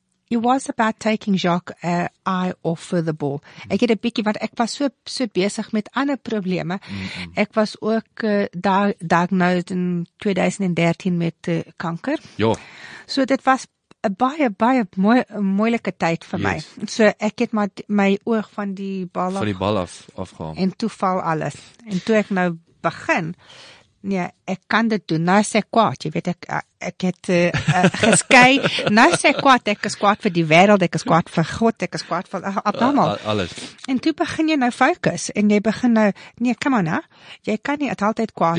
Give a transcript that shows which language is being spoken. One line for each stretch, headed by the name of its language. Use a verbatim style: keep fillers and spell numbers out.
English: It was about taking Jacques' uh, eye off the ball. Mm-hmm.
Afrikaans: Ek het 'n bietjie want ek was so so besig met ander probleme. Mm-hmm. Ek was ook uh, daar diagnosed in twenty thirteen met uh, kanker. Ja. So dit was 'n baie baie mooi moeilike tyd vir yes. my. So ek het maar my oog van die bal van die bal af afgehaal. En toe val alles. En toe ek nou begin Ja, ek kan dit doen, nou is ek kwaad, jy weet, ek, ek het uh, uh, geskei, nou is ek kwaad, ek is kwaad vir die wereld, ek is kwaad vir God, ek is kwaad vir uh, allemaal. Uh, alles. En toe begin jy nou focus, en jy begin nou, nee,
English: come on,
Afrikaans: he, jy kan nie, het altyd kwaad.